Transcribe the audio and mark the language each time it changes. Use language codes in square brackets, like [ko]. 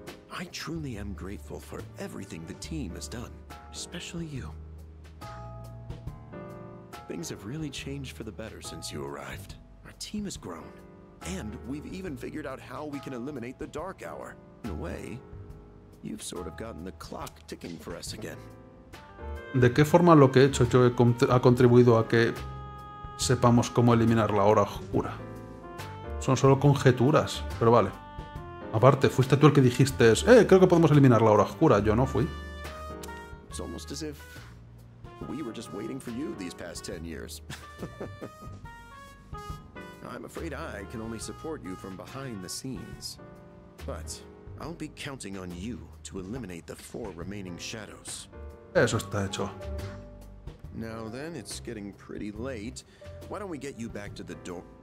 [en] I truly am grateful for everything the team has done, especially you. Things have really changed for the better since you arrived. Our team has grown, and we've even figured out how we can eliminate the dark hour. In a way, You've sort of gotten the clock ticking for us again. [es] ¿De qué forma lo que he hecho yo ha contribuido a que sepamos cómo eliminar la hora oscura? Son solo conjeturas, pero vale. Aparte, fuiste tú el que dijiste, creo que podemos eliminar la hora oscura. Yo no fui. Es como si estuviéramos esperando por ti estos últimos 10 años. [en] I'm afraid I can only support you from behind the scenes. But I'll be counting on you to eliminate the four remaining shadows. [es] Eso está hecho. [en] Now then, it's getting pretty late. Why don't we get you back to the door?